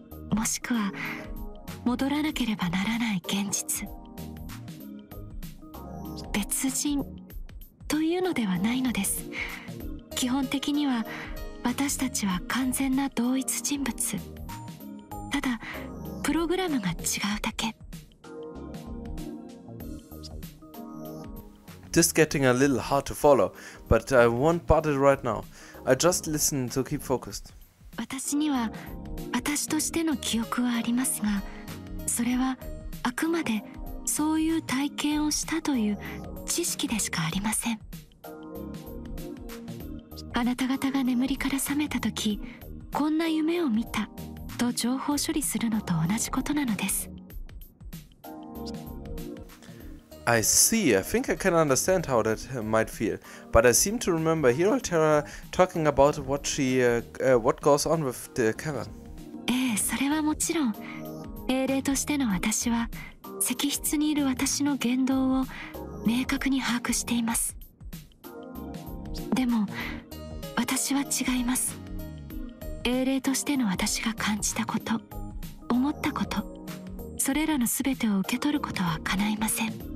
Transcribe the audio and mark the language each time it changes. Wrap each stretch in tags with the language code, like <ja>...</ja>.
<ja>もしくは戻らなければならない現実、別人というのではないのです。基本的には私たちは完全な同一人物。ただプログラムが違うだけ。</ja> <en>This is getting a little hard to follow, but I won't bother right now. I just listen to keep focused.</en> <ja>私には私としての記憶はありますが、それはあくまでそういう体験をしたという知識でしかありません。あなた方が眠りから覚めた時、こんな夢を見たと情報処理するのと同じことなのです。</ja> <en>I see. I think I can understand how that might feel. But I seem to remember Hero Terra talking about what she, what goes on with the cavern.</en> <ja>ええ、それはもちろん。英霊としての私は石室にいる私の言動を明確に把握しています。でも私は違います。英霊としての私が感じたこと、思ったこと、それらの全てを受け取ることは叶いません。</ja>